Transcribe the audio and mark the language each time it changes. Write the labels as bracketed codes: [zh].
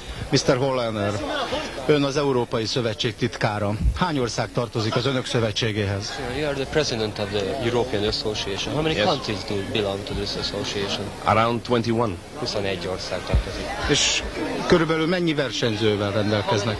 [hu] Mr. Hollander, ön az Európai Szövetség titkára. Hány ország tartozik az önök szövetségéhez? [en] You are the president of the European Association. How many countries do belong to this association? Around 21. [hu] 21 ország tartozik. És körülbelül mennyi versenyzővel rendelkeznek?